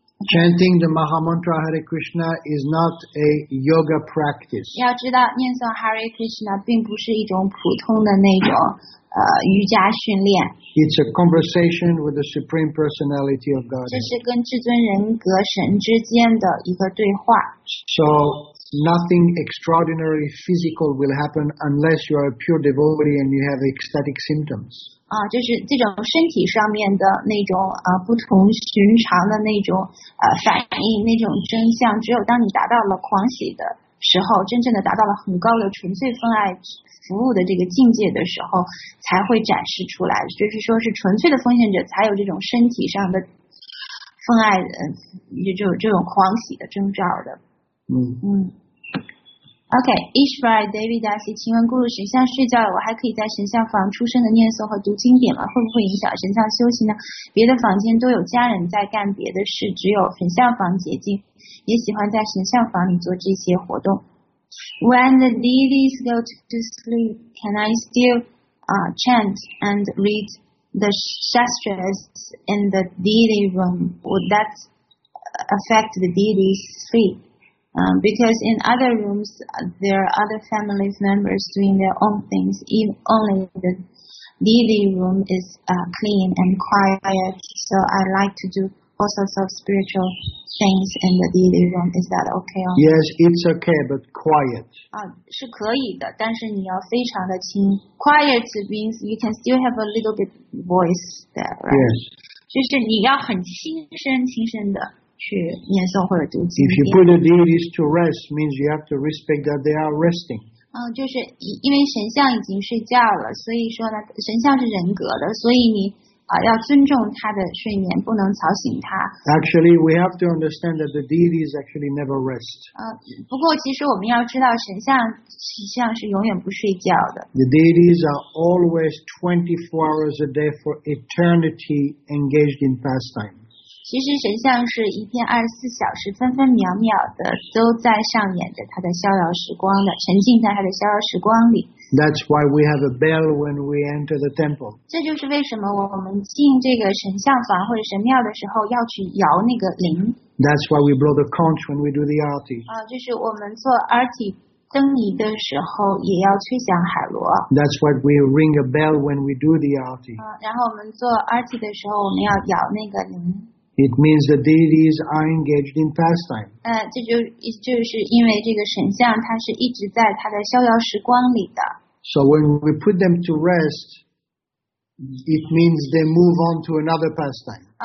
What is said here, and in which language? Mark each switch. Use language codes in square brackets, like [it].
[en] Chanting the Maha Mantra Hare Krishna is not a yoga practice. [zh] 要知道念诵 Hare Krishna 并不是一种普通的那种瑜伽训练。 [en] It's a conversation with the Supreme Personality of God. [zh] 这是跟至尊人格神之间的一个对话。 [en] So nothing extraordinary physical will happen unless you are a pure devotee and you have ecstatic symptoms. [zh] 就是这种身体上面的那种不同寻常的那种反应，那种真相，只有当你达到了狂喜的时候，真正的达到了很高的纯粹分爱服务的这个境界的时候，才会展示出来。就是说是纯粹的奉献者才有这种身体上的分爱这种狂喜的征兆的。 Okay, Ishvara Davidasi, 请问 Guru, 神像睡觉了，我还可以在神像房出声的念诵和读经典吗？会不会影响神像休息呢？别的房间都有家人在干别的事，只有神像房洁净，也喜欢在神像房里做这些活动。 [en] When the deities go to sleep, can I still, chant and read the shastras in the deity room? Would that affect the deities' sleep? Because in other rooms, there are other family members doing their own things. Even only the deity room is clean and quiet. So I like to do all sorts of spiritual things in the deity room. Is that okay? Yes, it's okay, but quiet. [zh] 是可以的，但是你要非常的轻。 [en] Quiet means you can still have a little bit voice there, right? Yes. [zh] 就是你要很轻声的。 [en] If you put the deities to rest, means you have to respect that they are resting. [zh] 就是因为神像已经睡觉了，所以说呢，神像是人格的，所以你要尊重他的睡眠，不能吵醒他。 [en] Actually, we have to understand that the deities actually never rest. [zh] 不过其实我们要知道，神像是永远不睡觉的。 [en] The deities are always 24 hours a day for eternity engaged in pastime. [zh] 其实神像是一天二十四小时分分秒秒的都在上演着他的逍遥时光的，沉浸在他的逍遥时光里。 [en] That's why we have a bell when we enter the temple. [zh] 这就是为什么我们进这个神像房或者神庙的时候要去摇那个铃。 [en] That's why we blow the conch when we do the arti. [zh] 就是我们做 arti灯仪的时候也要吹响海螺。 [en] That's why we ring a bell when we do the arti. [zh] 然后我们做 arti 的时候我们要摇那个铃。 [en] It means the deities are engaged in pastime. [zh] 这就是因为这个神像，它是一直在它的逍遥时光里的。 [en] So when we put them to rest, it means they move on to another pastime.